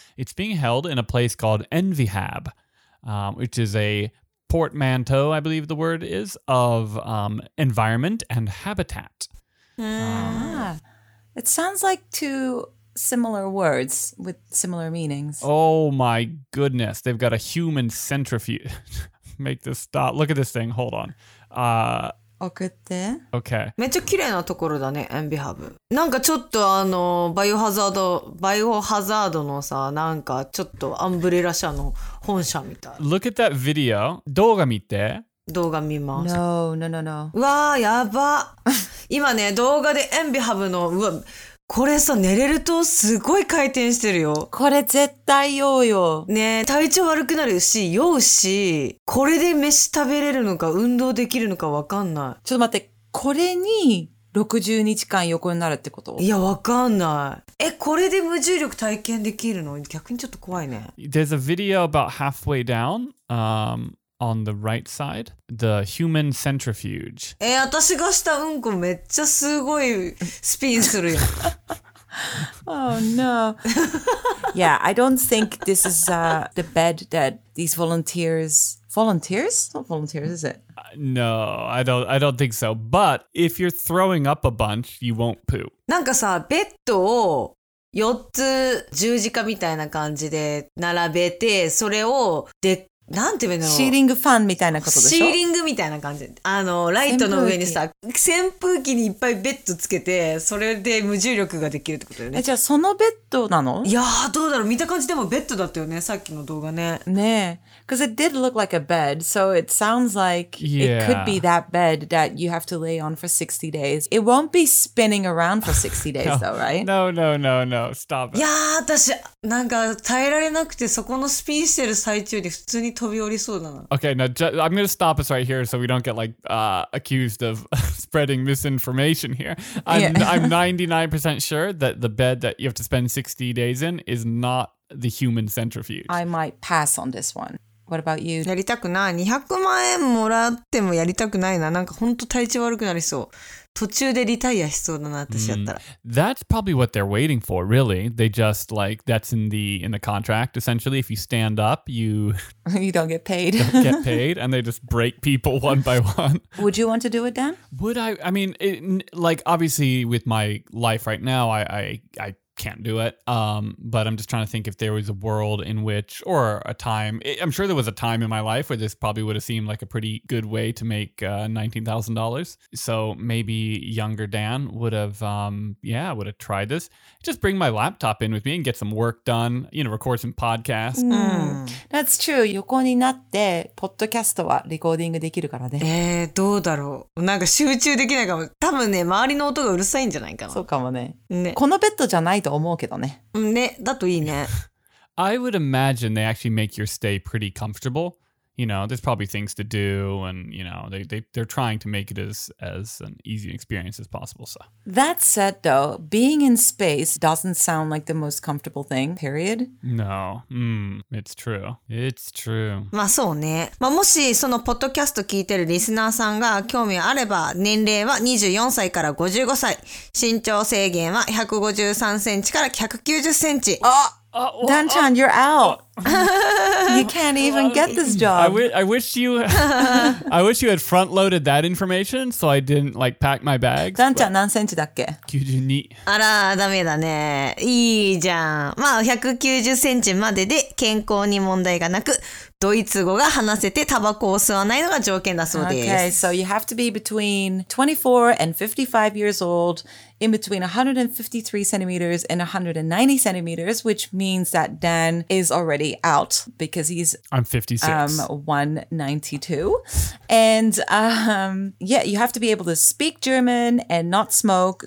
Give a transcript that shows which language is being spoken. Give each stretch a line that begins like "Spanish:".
English: It's being held in a place called Envihab, which is a portmanteau, I believe the word is, of environment and habitat. It sounds like to... similar words with similar meanings. Oh my goodness. They've got a human centrifuge. Make this stop. Look at this thing. Hold on.
Japanese: 送って。
English: Okay.
Japanese: めっちゃ綺麗なところだね、エンビハブ。なんかちょっとあのバイオハザードのさ、なんかちょっとアンブレラ社の本社みたい。
English: Look at that video.
Japanese: 動画見て。動画見ます。
English: No.
Japanese: わあ、やば。今ね、動画でエンビハブの、うわ、これさ、寝れるとすごい回転してるよ。これ絶対酔うよ。ね、体調悪くなるし、酔うし、これで飯食べれるのか、運動できるのか分かんない。ちょっと待って、これに60日間横になるってこと？いや、分かんない。え、これで無重力体験できるの？逆にちょっと怖いね。
English: There's a video about halfway down, on the right side, the human centrifuge. I got a lot of spin. Oh no. Yeah, I don't think this is the bed that these volunteers. Volunteers? Not volunteers, is it? No, I don't think so. But if you're throwing up a bunch, you won't poop.
Japanese: なんかさ、ベッドを4つ十字架みたいな感じで並べて、それをでっなんて言うの？シーリングファンみたいなことでしょ？シーリングみたいな感じ。あの、ライトの上にさ、扇風機にいっぱいベッドつけて、それで無重力ができるってことよね。え、じゃあそのベッドなの？いやー、どうだろう。見た感じでもベッドだったよね。さっきの動画ね。ねえ。
English: Because it did look like a bed, so it sounds like it could be that bed that you have to lay on for 60 days. It won't be spinning around for 60 days no. though, right? No, stop it.
Japanese: いやー、私、なんか耐えられなくて、そこのスピンしてる最中に普通に飛び降りそうだな。
English: Okay, now I'm going to stop us right here so we don't get like accused of spreading misinformation here. I'm 99% sure that the bed that you have to spend 60 days in is not the human centrifuge. I might pass on this one. What about you?
Japanese: やりたくない。 200万円もらってもやりたくないな。なんか本当体調悪くなりそう。途中でリタイアしそうだな、私やったら。
English: That's probably what they're waiting for, really. They just like, that's in the contract, essentially. If you stand up, you... you don't get paid. don't get paid, and they just break people one by one. Would you want to do it, Dan? Would I? I mean, it, like, obviously, with my life right now, I can't do it. But I'm just trying to think if there was a world in which, or a time, I'm sure there was a time in my life where this probably would have seemed like a pretty good way to make $19,000. So maybe younger Dan would have tried this. Just bring my laptop in with me and get some work done, you know, record some podcasts. Mm. That's true.
Japanese: 横になってポッドキャストはレコーディングできるからね。どうだろう。なんか集中できないかも。多分ね、周りの音がうるさいんじゃないかな。そうかもね。ね。このベッドじゃないと思うけどね。ね、だといいね。
English: I would imagine they actually make your stay pretty comfortable. You know, there's probably things to do and, you know, they're trying to make it as an easy experience as possible. So. That said, though, being in space doesn't sound like the most comfortable thing, period. No. It's true.
Japanese: まあそうね。まあもしそのポッドキャスト聞いてるリスナーさんが興味あれば、年齢は24歳から55歳。身長制限は153センチから190センチ。
English: あっ！Dan-chan, you're out. You can't even get this job. I wish you had front-loaded that information so I didn't like pack my bags.
Japanese: Dan-chan, 何センチだっけ？92。あら、ダメだね。いいじゃん。まあ190センチまでで健康に問題がなく、ドイツ語が話せてタバコを吸わないのが条件だそうです。
English: Okay, so you have to be between 24 and 55 years old, in between 153 centimeters and 190 centimeters, which means that Dan is already out because he's... I'm 56. 192. And yeah, you have to be able to speak German and not smoke.